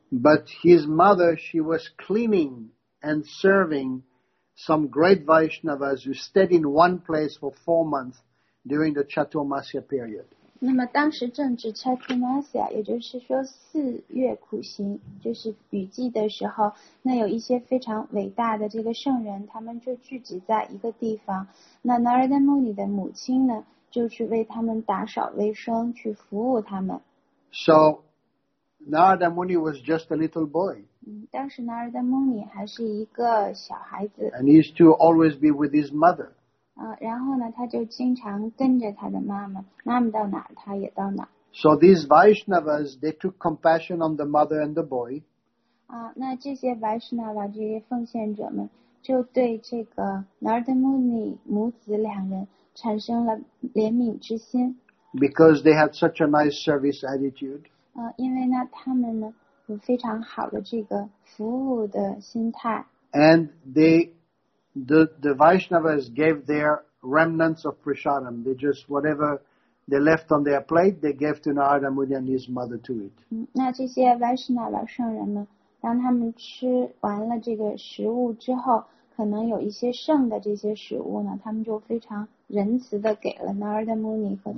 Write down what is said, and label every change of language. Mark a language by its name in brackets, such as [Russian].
[English] But his mother, she was cleaning and serving some great Vaishnavas who stayed in one place for 4 months during the Chaturmasya period. [Chinese] 那么当时正值 Chaturmasya， 也就是说四月苦行，就是雨季的时候，那有一些非常伟大的这个圣人，他们就聚集在一个地方。那 Narada Muni 的母亲呢，就去为他们打扫卫生，去服务他们。 [English] So Narada Muni was just a little boy. [Chinese] 当时 Narada Muni 还是一个小孩子。 [English] And he used to always be with his mother. [Chinese] 然后呢，他就经常跟着他的妈妈，妈妈到哪儿，他也到哪儿。 [English] So these Vaishnavas, they took compassion on the mother and the boy. [Chinese] 那这些 Vaishnava 这些奉献者们，就对这个 Narada Muni 母子两人产生了怜悯之心。 [English] Because they had such a nice service attitude. [Chinese] 因为呢，他们呢有非常好的这个服务的心态。 [English] And the Vaishnavas gave their remnants of prasadam. They just whatever they left on their plate, they gave to Narada Muni and his mother to eat. [Chinese] 那这些 Vaishnava 圣人们，当他们吃完了这个食物之后，可能有一些剩的这些食物呢，他们就非常仁慈的给了 Narada Muni 和他的母亲。